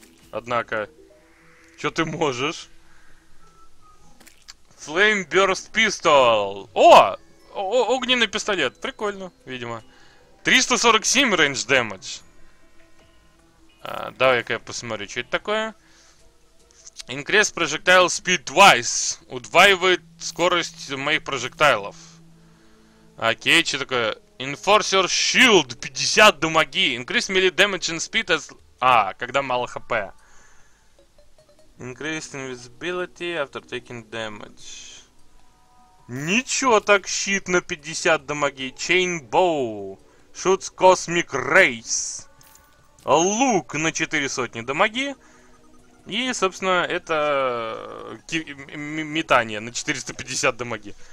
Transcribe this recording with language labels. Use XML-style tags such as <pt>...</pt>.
<ru>Однако, что ты можешь? Flame Burst Pistol. О, огненный пистолет. Прикольно, видимо. 347 range damage. Давай-ка я посмотрю, что это такое.</ru> <en>Increase projectile speed twice.</en> <ru>Удваивает скорость моих прожектайлов. Окей, что такое? Enforcer Shield. 50 дамаги.</ru> <en>Increase melee damage and speed as...</en> <ru>когда мало хп.</ru> <en>Increased invisibility after taking damage.</en> <ru>Ничего так, щит на 50 дамаги.</ru> <en>Chain Bow. Shoots Cosmic Rays.</en> <ru>Лук на 400 дамаги. И, собственно, это метание на 450 дамаги.</ru>